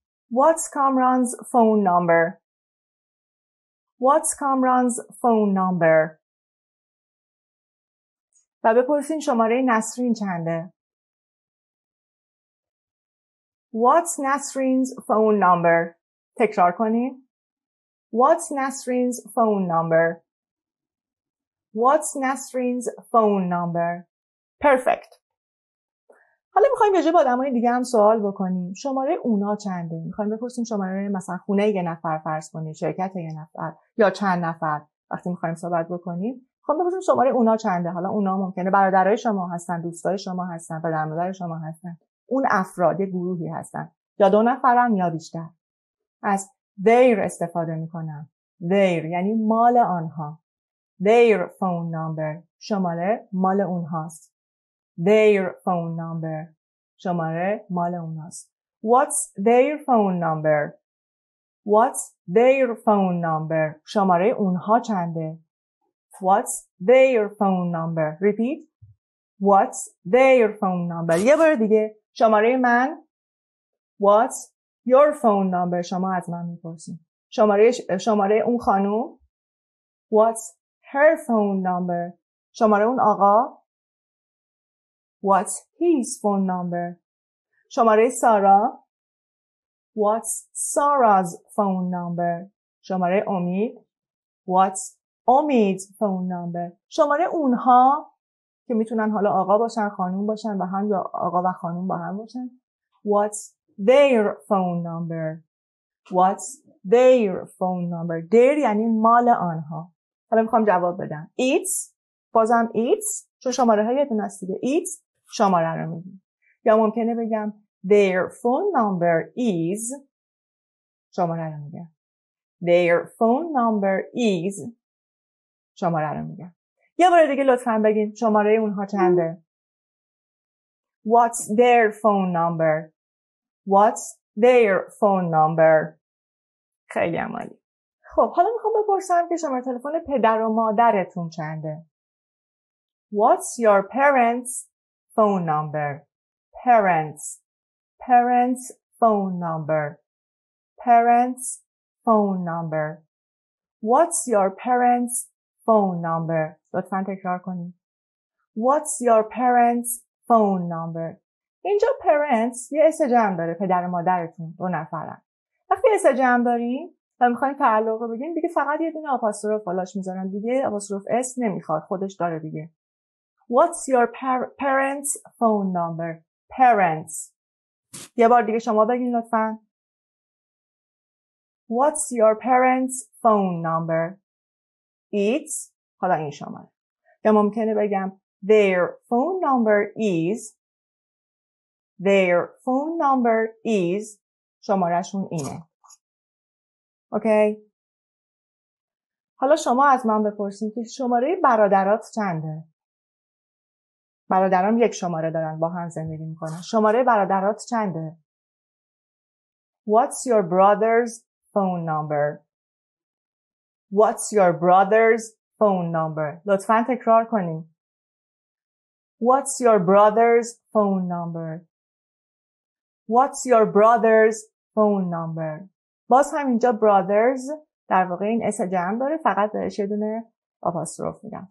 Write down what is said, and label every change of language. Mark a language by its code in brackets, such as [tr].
[en] What's Kamran's phone number؟ What's Kamran's phone number؟ [fa] و بپرسین شماره نسرین چنده؟ [en] What's Nasreen's phone number؟ [fa] تکرار کنید. [en] What's Nasreen's phone number؟ What's Nasreen's phone number؟ [fa] Perfect. حالا میخواییم یه جه با آدم های دیگه هم سوال بکنیم. شماره اونا چنده؟ میخواییم بپرسیم شماره مثلا خونه یه نفر فرض کنیم، شرکت یه نفر یا چند نفر وقتی میخواییم صحبت بکنیم. خواهیم بپرسیم شماره اونا چنده؟ حالا اونا ممکنه برادرهای شما هستن، دوستای شما هستن، پدرمادر شما هستن. اون افراد یه گروهی هستن. یا دو نفرن یا بیشتر. از their استفاده میکنم. [en] Their [fa] یعنی مال آنها. [en] Their phone number. [fa] شماره مال اونهاست. [en] Their phone number. [fa] شماره مال اونهاست. [en] What's their phone number؟ What's their phone number؟ [fa] شماره اونها چنده؟ [en] What's their phone number؟ Repeat. What's their phone number؟ [fa] یه بار دیگه. شماره من. [en] What's your phone number؟ [fa] شما از من میپرسیم. شماره اون خانوم. [en] What's her phone number؟ [fa] شماره اون آقا. [en] What's his phone number؟ [fa] شماره سارا. [en] What's Sarah's phone number؟ [fa] شماره امید. [en] What's Omid's phone number؟ [fa] شماره اونها که میتونن حالا آقا باشن، خانوم باشن و هم یا آقا و خانوم با هم باشن. [en] What's their phone number؟ What's their phone number؟ [fa] their یعنی مال آنها. حالا میخوام جواب بدم. It's، بازم it's، چون شماره های دون است دیگه. It's شماره رو میگیم. یا ممکنه بگم [en] their phone number is، [fa] شماره رو میگم. [en] Their phone number is، [fa] شماره رو میگم. یه بار دیگه لطفاً بگین شماره اونها چنده؟ [en] What's their phone number؟ What's their phone number؟ [fa] خیلی عمالی. خب حالا میخوام بپرسم که شماره تلفن پدر و مادرتون چنده؟ [en] What's your parents phone number؟ Parents phone number. Parents phone number. What's your parents phone number؟ [fa] لطفاً تکرار کنید. [en] What's your parents phone number؟ [fa] اینجا parents یه اسم جمع داره، پدر و مادرتون دو نفرن. وقتی اسم جمع دارین و می‌خواید تعلق رو بگین دیگه فقط یه دونه آپاستروف بالاش می‌ذارن دیگه، آپاستروف اس نمی‌خواد، خودش داره دیگه. [en] What's your parents phone number؟ Parents. [fa] یه بار دیگه شما بگین لطفاً. [en] What's your parents phone number؟ It's، [fa] حالا این شماره. [en] یا ممکنه بگم their phone number is، their phone number is، [fa] شماره شون اینه. اوکی. حالا شما از من بپرسین که شماره برادرات چنده؟ برادران یک شماره دارن، با هم زندگی میکنن. شماره برادرات چنده؟ [en] What's your brother's phone number؟ What's your brother's phone number؟ [fa] لطفاً تکرار کنیم. [en] What's your brother's phone number؟ What's your brother's phone number؟ [fa] باز هم اینجا [en] brothers [fa] در واقع این اس جمع داره، فقط بهش یه دونه آپاستروف میدم.